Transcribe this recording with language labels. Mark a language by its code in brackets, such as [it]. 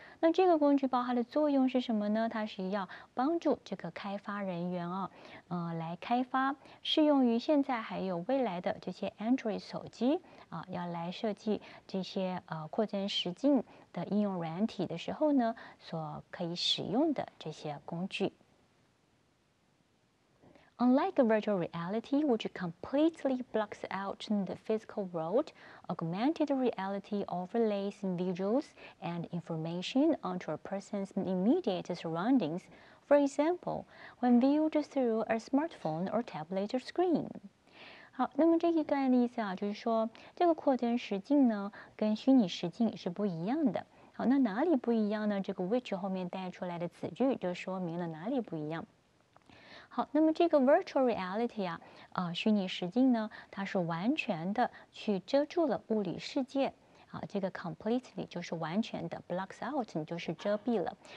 [zh] 那这个工具包它的作用是什么呢？它是要帮助这个开发人员啊，来开发适用于现在还有未来的这些 Android 手机啊，要来设计这些扩增实境的应用软体的时候呢，所可以使用的这些工具。 [en] Unlike virtual reality, which completely blocks out the physical world, augmented reality overlays visuals and information onto a person's immediate surroundings, for example, when viewed through a smartphone or tablet screen. [zh] 好，那么这一段的意思啊，就是说这个扩增实境呢，跟虚拟实境是不一样的。好，那哪里不一样呢？这个 which 后面带出来的子句就说明了哪里不一样。好，那么这个 [en] virtual reality [zh] 啊，虚拟实境呢，它是完全的去遮住了物理世界啊，这个 completely 就是完全的 [en] blocks out [zh] 就是遮蔽了。